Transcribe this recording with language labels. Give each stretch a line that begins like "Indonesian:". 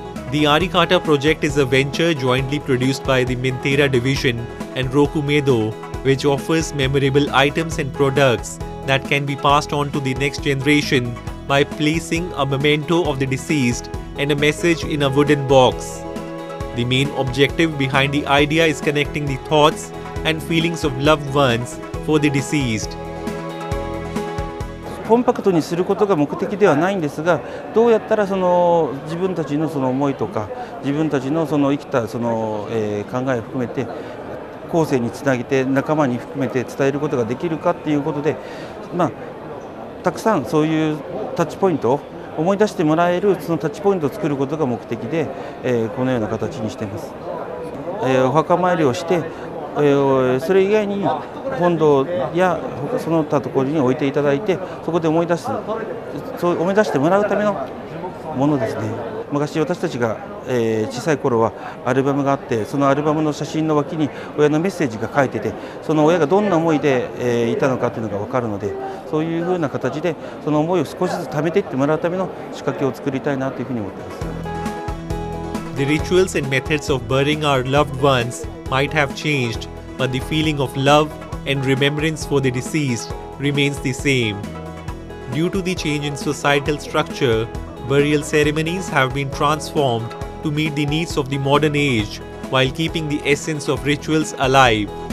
English: The Arikata project is a venture jointly produced by the Mintera division and Roku Medo, which offers memorable items and products that can be passed on to the next generation by placing a memento of the deceased and a message in a wooden box. The main objective behind the idea is connecting the thoughts and feelings of loved ones for the deceased.
Japanese: コンパクトにすることが目的ではないんですが、どうやったらその自分たちのその思いとか、自分たちのその生きたその考えを含めて、後世につなげて仲間に含めて伝えることができるかっていうことで、まあたくさんそういうタッチポイントを思い出してもらえるそのタッチポイントを作ることが目的で、このような形にしています。お墓参りをして、それ以外に本堂やその他ところに置いていただいて、そこで思い出す、そう思い出してもらうためのものですね。昔私たちが小さい頃はアルバムがあって、そのアルバムの写真の脇に親のメッセージが書いてて、その親がどんな思いでいたのかというのが分かるので、そういうふうな形でその思いを少しずつ貯めていってもらうための仕掛けを作りたいなというふうに思っています。
English: The rituals and methods of burying our loved ones might have changed, but the feeling of love and remembrance for the deceased remains the same. Due to the change in societal structure, burial ceremonies have been transformed to meet the needs of the modern age while keeping the essence of rituals alive.